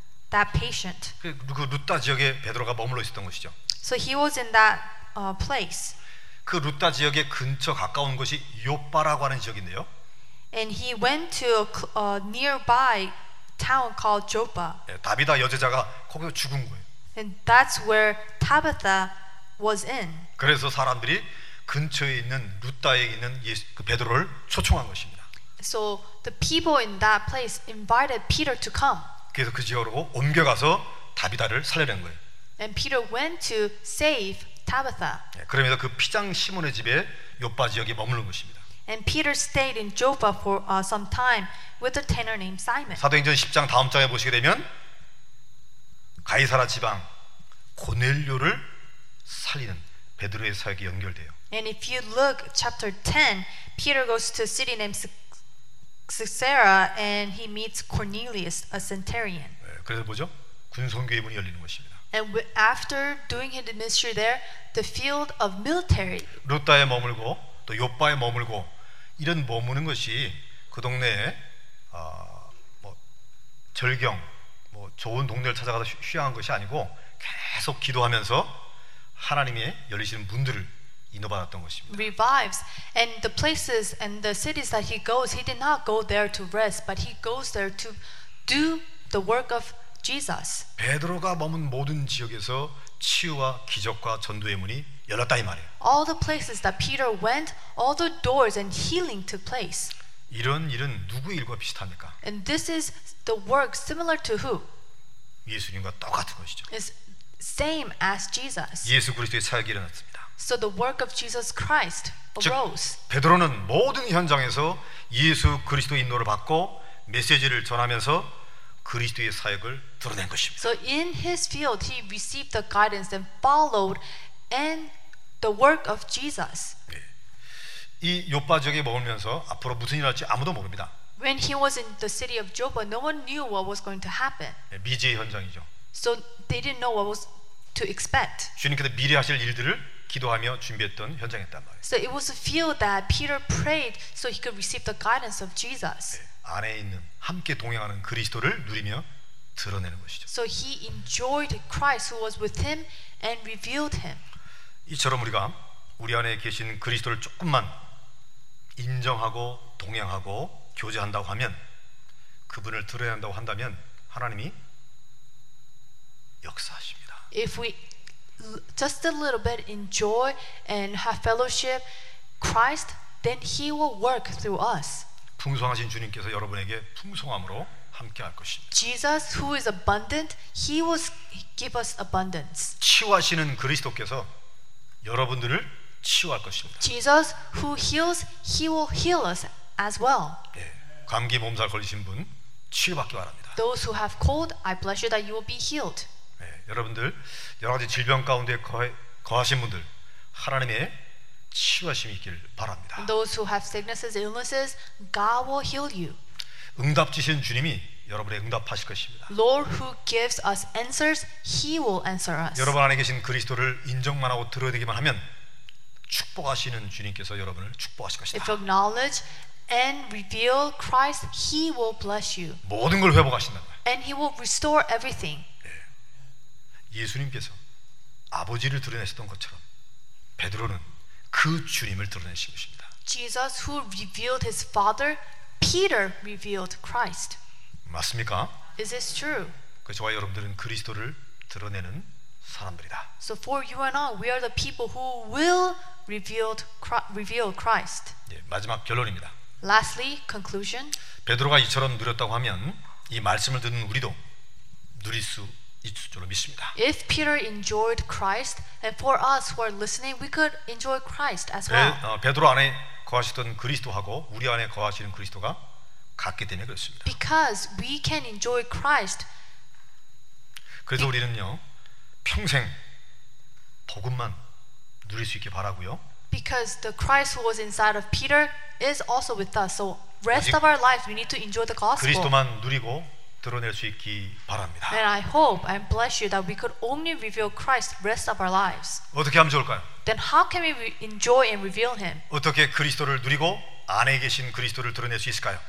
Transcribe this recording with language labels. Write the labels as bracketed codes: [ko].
[en] that patient. [ko] 그 루타 지역에 베드로가 머물러 있었던 것이죠. [en] So he was in that place. [ko] 그 루타 지역에 근처 가까운 곳이 요빠라고 하는 지역인데요. [en] And he went to a nearby town called Joppa. [ko] 예, 다비다 여제자가 거기서 죽은 거예요. [en] And that's where Tabitha was in. [ko] 그래서 사람들이 근처에 있는 루타에 있는 예수, 그 베드로를 초청한 것입니다. [en] So the people in that place invited Peter to come. [ko] 그래서 그 지역으로 옮겨가서 다비다를 살려낸 거예요. [en] And Peter went to save Tabitha. [ko] 예, 그러면서 그 피장 시몬의 집에 요빠 지역에 머무는 것입니다. [en] And Peter stayed in Joppa for some time with a tanner named Simon. [ko] 사도행전 10장 다음 장에 보시게 되면 가이사라 지방 고넬료를 살리는 베드로의 사역이 연결돼요. [en] And if you look chapter 10, Peter goes to a city named Caesarea and he meets Cornelius, a centurion. [ko] 네, 그래서 뭐죠? 군성교의 문이 열리는 것입니다. [en] And after doing his ministry there, the field of military. [ko] 루타에 머물고 또 요빠에 머물고 이런 머무는 것이 그 동네에 뭐 절경 뭐 좋은 동네를 찾아가서 휴양한 것이 아니고 계속 기도하면서 하나님의 열리시는 문들을 인도받았던 것입니다. [en] Revives and the places and the cities that he goes, he did not go there to rest, but he goes there to do the work of Jesus. [ko] 베드로가 머문 모든 지역에서 치유와 기적과 전도의 문이 열렸다 이 말이에요. [en] All the places that Peter went, all the doors and healing took place. [ko] 이런 일은 누구 일과 비슷합니까? [en] And this is the work similar to who? [ko] 예수님과 똑같은 것이죠. [en] It's same as Jesus. [ko] 예수 그리스도의 사역이 일어났습니다. [en] So the work of Jesus Christ arose. [ko] 즉, 베드로는 모든 현장에서 예수 그리스도의 인도를 받고 메시지를 전하면서 그리스도의 사역을 드러낸 것입니다. [en] So in his field, he received the guidance and followed and the work of Jesus. [ko] 네. 이 요빠 지역에 머물면서 앞으로 무슨 일 할지 아무도 모릅니다. [en] When he was in the city of Joppa, no one knew what was going to happen. [ko] 네, 미지의 현장이죠. [en] So they didn't know what was to expect. [ko] 주님께서 미리 하실 일들을 기도하며 준비했던 현장이었단 말이에요. [en] So it was a field that Peter prayed so he could receive the guidance of Jesus. [ko] 네. 안에 있는 함께 동행하는 그리스도를 누리며 드러내는 것이죠. [en] So he enjoyed Christ who was with him and revealed him. [ko] 이처럼 우리가 우리 안에 계신 그리스도를 조금만 인정하고 동행하고 교제한다고 하면 그분을 드러낸다고 한다면 하나님이 역사하십니다. [en] If we just a little bit enjoy and have fellowship Christ, then he will work through us. [ko] 풍성하신 주님께서 여러분에게 풍성함으로 함께할 것입니다. [en] Jesus who is abundant, he will give us abundance. [ko] 치유하시는 그리스도께서 여러분들을 치유할 것입니다. [en] Jesus who heals, he will heal us as well. [ko] 네, 감기 몸살 걸리신 분 치유받기 바랍니다. [en] Those who have cold, I bless you that you will be healed. [ko] 네, 여러분들 여러 가지 질병 가운데 거하신 분들 하나님의 치유하심이 있기를 바랍니다. [en] Those who have sicknesses, illnesses, God will heal you. [ko] 응답 주신 주님이 여러분에 응답하실 것입니다. [en] Lord who gives us answers, He will answer us. [ko] 여러분 안에 계신 그리스도를 인정만 하고 드러내기만 하면 축복하시는 주님께서 여러분을 축복하실 것입니다. [en] If you acknowledge and reveal Christ, He will bless you. [ko] 모든 걸 회복하신다. [en] And He will restore everything. [ko] 예. 예수님께서 아버지를 드러내셨던 것처럼 베드로는 그 주님을 드러내신 것입니다. [en] Jesus who revealed his father, Peter revealed Christ. [ko] 맞습니까? [en] Is this true? [ko] 그 저와 여러분들은 그리스도를 드러내는 사람들이다. [en] So for you and I, we are the people who will reveal Christ. [ko] 예, 마지막 결론입니다. [en] Lastly, conclusion. [ko] 베드로가 이처럼 누렸다고 하면 이 말씀을 듣는 우리도 누릴 수 믿습니다. [en] If Peter enjoyed Christ, and for us who are listening, we could enjoy Christ as well. [ko] 베드로 안에 거하시던 그리스도하고 우리 안에 거하시는 그리스도가 같기 때문에 그렇습니다. [en] Because we can enjoy Christ. [ko] 그래서 우리는요 평생 복음만 누릴 수 있게 바라고요. [en] Because the Christ who was inside of Peter is also with us. So rest of our life, we need to enjoy the gospel. [ko] 그리스도만 누리고. 드러낼 수 있기 바랍니다. [en] And I hope and bless you that we could only reveal Christ rest of our lives. [ko] 어떻게 하면 좋을까요? [en] Then how can we enjoy and reveal him? [ko] 어떻게 그리스도를 누리고 안에 계신 그리스도를 드러낼 수 있을까요?